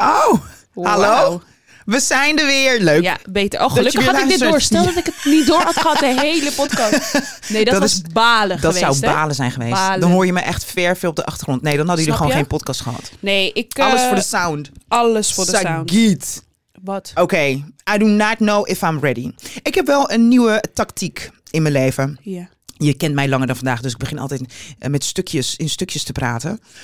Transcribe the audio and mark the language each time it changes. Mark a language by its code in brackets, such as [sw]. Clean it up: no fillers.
[nl] Oh, wow. Hallo. We zijn er weer. Leuk. Ja, beter. Oh, gelukkig had ik dit door. Stel dat ik het niet door had gehad, de hele podcast. Nee, dat was balen geweest. Dat zou balen zijn geweest. Balen. Dan hoor je me echt veel op de achtergrond. Nee, dan hadden jullie gewoon geen podcast gehad. Nee, alles voor de sound. Alles voor de sound. Sagitt. Wat? [en] Oké, okay. I do not know if I'm ready. [nl] Ik heb wel een nieuwe tactiek in mijn leven. [en] Yeah. [nl] Je kent mij langer dan vandaag, dus ik begin altijd met stukjes in stukjes te praten.